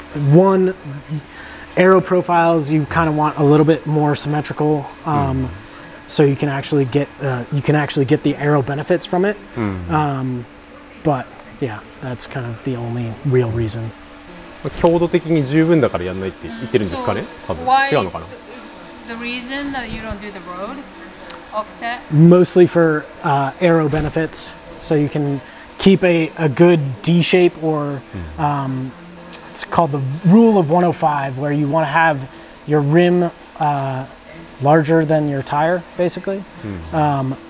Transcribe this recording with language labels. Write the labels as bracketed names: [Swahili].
[English] One, aero profiles, you kind of want a little bit more symmetrical, so you can actually get the aero benefits from it. But yeah, that's kind of the only real reason. [Japanese] 強度的に十分だからやんないって言ってるんですかね？多分違うのかな。 [English] The reason that you don't do the road offset? Mostly for aero benefits, so you can keep a good D shape or. It's called the rule of 105, where you want to have your rim larger than your tire, basically. Mm-hmm.